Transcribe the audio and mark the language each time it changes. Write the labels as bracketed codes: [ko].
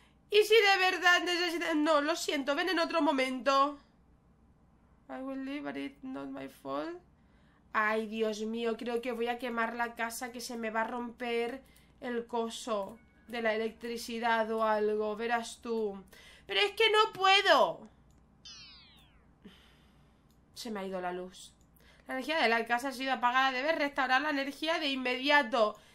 [es] Y si de verdad necesitas... No, lo siento, ven en otro momento. [en] I will leave, but it's not my fault. [es] Ay, Dios mío, creo que voy a quemar la casa, que se me va a romper el coso de la electricidad o algo, verás tú. Pero es que no puedo. Se me ha ido la luz. La energía de la casa ha sido apagada. Debes restaurar la energía de inmediato.